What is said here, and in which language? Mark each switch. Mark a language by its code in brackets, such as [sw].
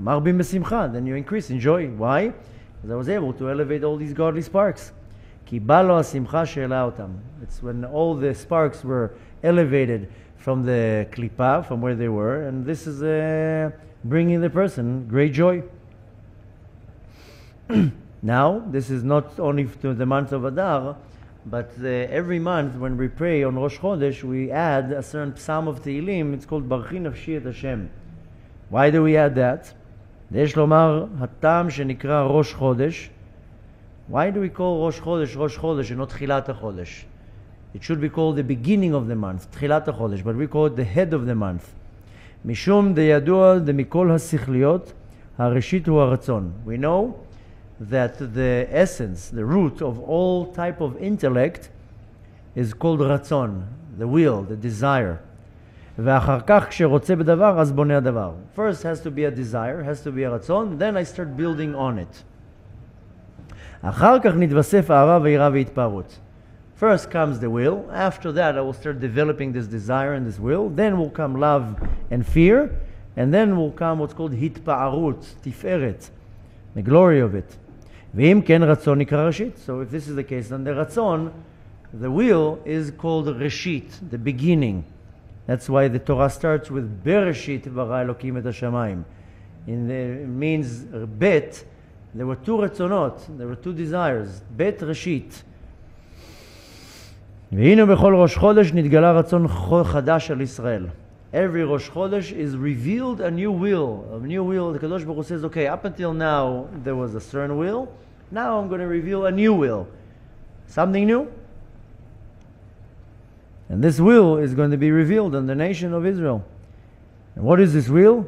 [he] מרבים בשמחה, [en] then you increase in joy. Why? Because I was able to elevate all these godly sparks. [he] כי בא לו השמחה שהעלה אותם. [en] It's when all the sparks were elevated from the klipa, from where they were, and this is bringing the person great joy. Now, this is not only to the month of Adar, but every month when we pray on Rosh Chodesh, we add a certain psalm of Tehillim. It's called Barchi Nafshi Et Hashem. Why do we add that? [he] יש לומר הטעם שנקרא ראש חודש. [en] Why do we call Rosh Chodesh Rosh Chodesh and not תחילת החודש? It should be called the beginning of the month, תחילת החודש, but we call it the head of the month. [he] משום דידוע דמכל השכליות, הראשית הוא הרצון. [en] We know that the essence, the root of all type of intellect is called רצון, the will, the desire. [he] ואחר כך כשרוצה בדבר, אז בונה הדבר. [en] First has to be a desire, has to be a רצון, then I start building on it. [he] אחר כך נתווסף אהבה ויראה והתפארות. [en] First comes the will. After that, I will start developing this desire and this will. Then will come love and fear. And then will come what's called התפארות, תפארת, the glory of it. [he] ואם כן, רצון נקרא ראשית. [en] So if this is the case, then the רצון, the will, is called ראשית, the beginning. That's why the Torah starts with [he] בראשית ברא אלוקים את השמיים. [en] It means בית. There were two רצונות, there were two desires, בית ראשית. [he] והנה בכל ראש חודש נתגלה רצון חדש על ישראל. [en] Every ראש חודש is revealed a new will. A new will, the Kadosh Baruch says, okay, up until now there was a certain will, now I'm going to reveal a new will. Something new. And this will is going to be revealed on the nation of Israel. And what is this will?